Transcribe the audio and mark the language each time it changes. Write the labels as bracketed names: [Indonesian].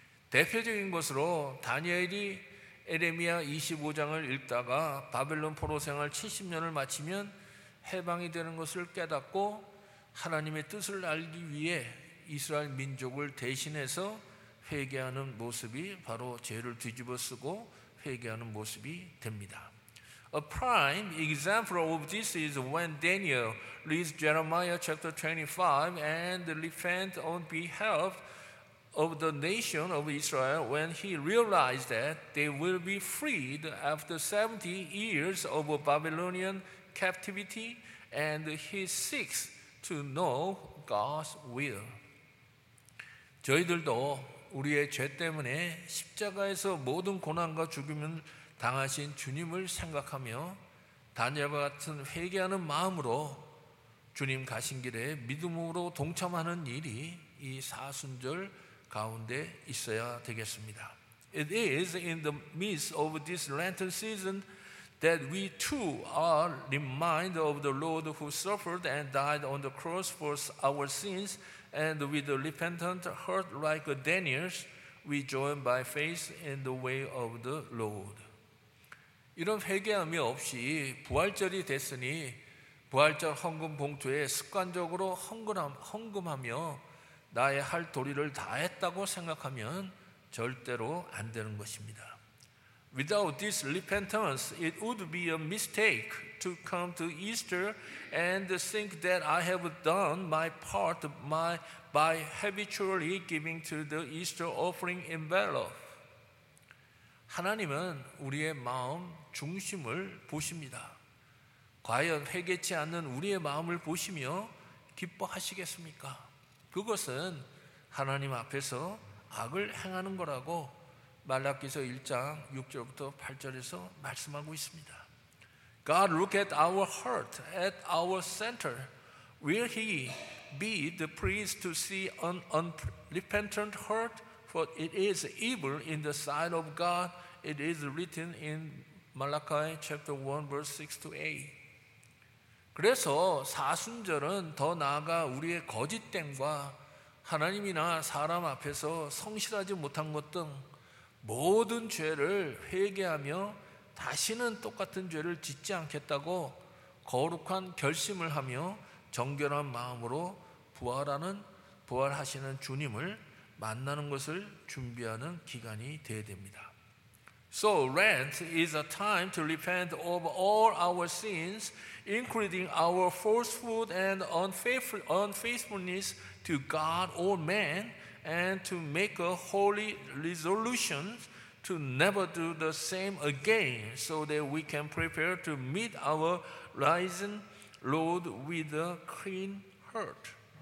[Korean] 대표적인 것으로 다니엘이 에레미야 25장을 읽다가 바벨론 포로 생활 70년을 마치면 해방이 되는 것을 깨닫고 하나님의 뜻을 알기 위해 이스라엘 민족을 대신해서 회개하는 모습이 바로 죄를 뒤집어쓰고 회개하는 모습이 됩니다. [English] A prime example of this is when Daniel reads Jeremiah chapter 25 and repents on behalf of the nation of Israel when he realized that they will be freed after 70 years of Babylonian captivity and he seeks to know God's will. [Korean] 저희들도 우리의 죄 때문에 십자가에서 모든 고난과 죽음을 당하신 주님을 생각하며 다니엘과 같은 회개하는 마음으로 주님 가신 길에 믿음으로 동참하는 일이 이 사순절 가운데 있어야 되겠습니다. [English] It is in the midst of this Lenten season that we too are reminded of the Lord who suffered and died on the cross for our sins. And with a repentant heart like Daniel's, we join by faith in the way of the Lord. [Korean] 이런 회개함이 없이 부활절이 됐으니 부활절 헌금 봉투에 습관적으로 헌금하며 나의 할 도리를 다했다고 생각하면 절대로 안 되는 것입니다. [English] Without this repentance, it would be a mistake to come to Easter and think that I have done my part by habitually giving to the Easter offering envelope. [Korean] 하나님은 우리의 마음 중심을 보십니다. 과연 회개치 않는 우리의 마음을 보시며 기뻐하시겠습니까? 그것은 하나님 앞에서 악을 행하는 거라고 말라기서 1장 6절부터 8절에서 말씀하고 있습니다. [English] God look at our heart, at our center. Will he be the priest to see an unrepentant heart? For it is evil in the sight of God. It is written in Malachi chapter 1 verse 6 to 8. [Korean] 그래서 사순절은 더 나아가 우리의 거짓됨과 하나님이나 사람 앞에서 성실하지 못한 것 등 모든 죄를 회개하며 다시는 똑같은 죄를 짓지 않겠다고 거룩한 결심을 하며 정결한 마음으로 부활하시는 주님을 만나는 것을 준비하는 기간이 되어야 됩니다. [English] So Lent is a time to repent of all our sins, including our falsehood and unfaithfulness to God or man, and to make a holy resolution to never do the same again, so that we can prepare to meet our risen Lord with a clean heart.